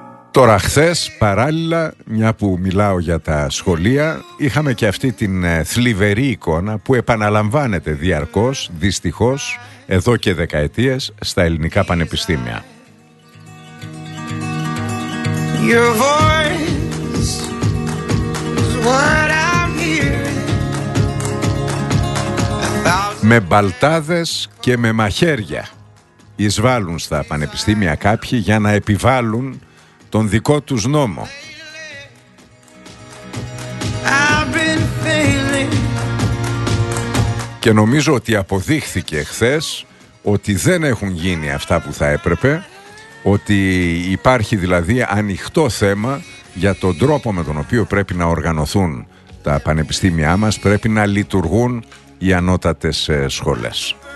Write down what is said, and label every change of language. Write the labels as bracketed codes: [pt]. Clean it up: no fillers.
[el] Τώρα χθες, παράλληλα, μια που μιλάω για τα σχολεία, είχαμε και αυτή την θλιβερή εικόνα που επαναλαμβάνεται διαρκώς, δυστυχώς, εδώ και δεκαετίες στα ελληνικά πανεπιστήμια. [en] Your voice is what I'm hearing. [el] Με μπαλτάδες και με μαχαίρια εισβάλλουν στα πανεπιστήμια κάποιοι για να επιβάλλουν τον δικό τους νόμο. [en] I've been [el] Και νομίζω ότι αποδείχθηκε χθες ότι δεν έχουν γίνει αυτά που θα έπρεπε, ότι υπάρχει δηλαδή ανοιχτό θέμα για τον τρόπο με τον οποίο πρέπει να οργανωθούν τα πανεπιστήμια μας, πρέπει να λειτουργούν οι ανώτατες σχολές.